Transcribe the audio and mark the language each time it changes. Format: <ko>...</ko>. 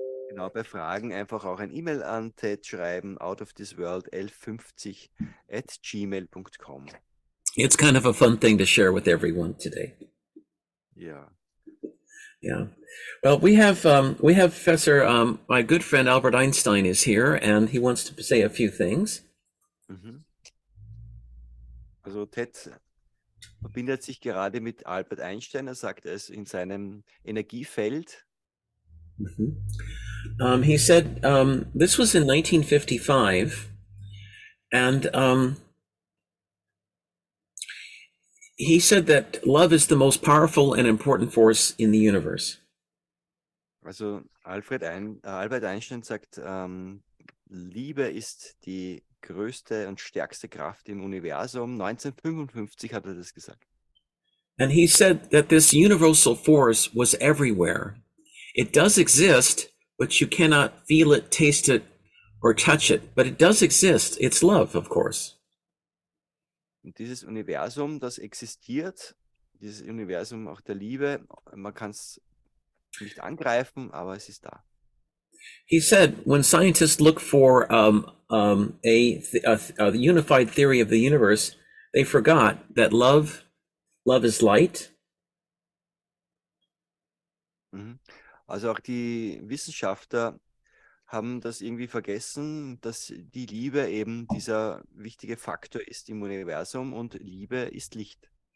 <de>Genau, bei Fragen einfach auch ein E-Mail an Ted schreiben, outofthisworld1150@gmail.com.</de> <en>It's kind of a fun thing to share with everyone today.</en> <de>Ja.</de> <en>Yeah. Well, we have Professor, my good friend Albert Einstein is here, and he wants to say a few things.</en> <de>Also Ted verbindet sich gerade mit Albert Einstein, er sagt es in seinem Energiefeld.</de> <en>He said this was in 1955, and he said that love is the most powerful and important force in the universe.</en> <de>Also Albert Einstein sagt, Liebe ist die größte und stärkste Kraft im Universum. 1955 hat er das gesagt.</de> <en>And he said that this universal force was everywhere. It does exist, but you cannot feel it, taste it, or touch it. But it does exist. It's love, of course.</en> <de>Und dieses Universum, das existiert, dieses Universum auch der Liebe, man kann es nicht angreifen, aber es ist da.</de> <en>He said, when scientists look for a unified theory of the universe, they forgot that love is light.</en> <de>Also auch die Wissenschaftler haben das irgendwie vergessen, dass die Liebe eben dieser wichtige Faktor ist im Universum und Liebe ist Licht.</de>